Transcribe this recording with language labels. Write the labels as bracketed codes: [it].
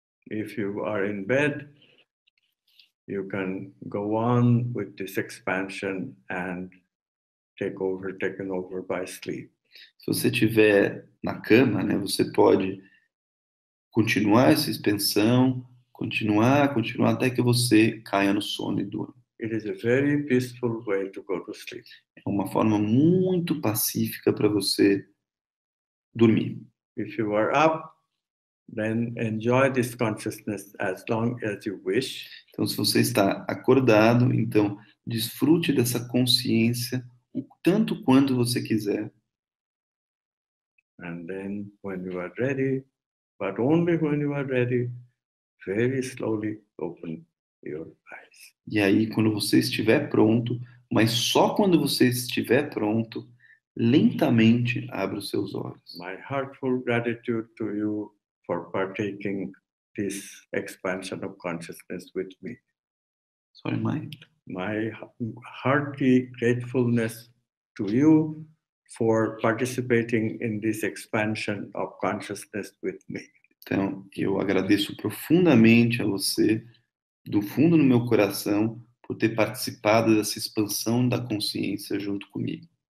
[en] If you are in bed, you can go on with this expansion and taken over by sleep. [pt] Se você estiver na cama, né, você pode continuar essa expansão, continuar até que você caia no sono e durma. [en] It is a very peaceful way to go to sleep. [pt] É uma forma muito pacífica para você dormir. [en] If you are up, then enjoy this consciousness as long as you wish. [pt] Então, se você está acordado, então desfrute dessa consciência o tanto quanto você quiser. [en] And then when you are ready, but only when you are ready, very slowly open your eyes. [pt] E aí, quando você estiver pronto, mas só quando você estiver pronto, lentamente abre os seus olhos. [en] My heartfelt gratitude to you for partaking this expansion of consciousness with me. Sorry, my hearty gratefulness to you for participating in this expansion of consciousness with me. [pt] Então, eu agradeço profundamente a você, do fundo do meu coração, por ter participado dessa expansão da consciência junto comigo.